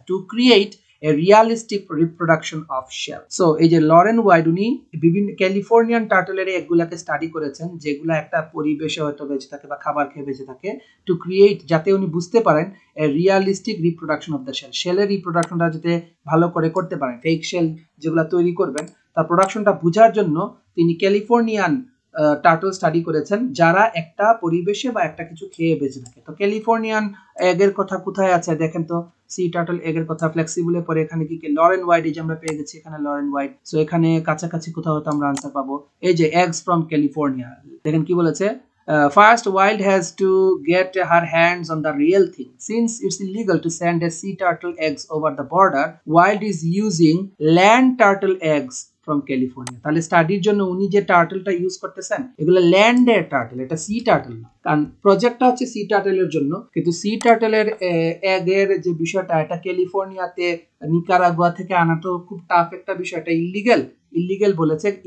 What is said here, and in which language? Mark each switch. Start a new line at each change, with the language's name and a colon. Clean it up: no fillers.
Bangla: To create a realistic reproduction of shell, so এই যে Lauren wide উনি বিভিন্ন ক্যালিফোর্নিয়ান টার্টলের এগুলাকে স্টাডি করেছেন যেগুলো একটা পরিবেশে হয়তো বেঁচে থাকে বা খাবার খেয়ে বেঁচে থাকে, টু ক্রিয়েট যাতে উনি বুঝতে পারেন এ realistic reproduction of the shell, শেলের রিপ্রোডাকশনটা যাতে ভালো করে করতে পারেন, ফেক শেল যেগুলো তৈরি করবেন তার প্রোডাকশনটা বোঝার জন্য তিনি ক্যালিফোর্নিয়ান টার্টল স্টাডি করেছেন যারা একটা পরিবেশে বা একটা কিছু খেয়ে বেঁচে থাকে। তো ক্যালিফোর্নিয়ান এগের কথা কোথায় আছে দেখেন তো, সি টার্টল এগের কথা ফ্লেক্সিবলের পরে এখানে কি কি লরেন ওয়াইড এই আমরা পেয়ে গেছি, এখানে লরেন ওয়াইড, সো এখানে কাছাকাছি কোথাও হয়তো আমরা আনসার পাবো। এই যে এগস ফ্রম ক্যালিফোর্নিয়া দেখেন কি বলেছে,
English: First, Wild has to get her hands on the real thing. Since it's illegal to send a sea turtle eggs over the border, Wild is using land turtle eggs from California.
Bangla: তাহলে স্টাডির জন্য উনি যে টার্টলটা use করতেছেন এগুলো ল্যান্ডের turtle, এটা C turtle না। কারণ প্রজেক্টটা হচ্ছে সি টার্টলের জন্য, কিন্তু সি টার্টলের এগের যে বিষয়টা এটা ক্যালিফোর্নিয়াতে নিকারাগুয়া থেকে আনা তো খুব টাফ একটা বিষয়, এটা ইললিগ্যাল ইললিগ্যাল বলেছে।